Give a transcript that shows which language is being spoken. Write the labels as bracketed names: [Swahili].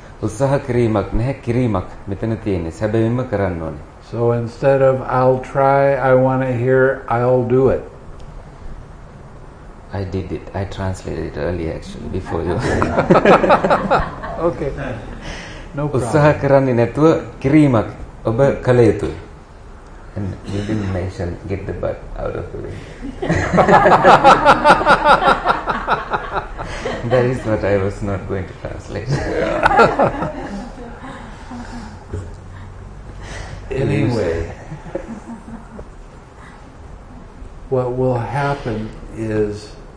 [Sinhala] උත්සාහ කිරීමක් නැහැ කිරීමක් මෙතන තියෙන්නේ. සැබවින්ම කරන්න ඕනේ. [English] So instead of I'll try, I want to hear I'll do it. I did it. I translated it earlier actually before you. Okay. No problem. [Sinhala] උත්සාහ කරන්නේ නැතුව කිරීමක් ඔබ කළ යුතුයි. [English] And you didn't mention get the butt out of the way. That is what I was not going to translate. Anyway, what will happen is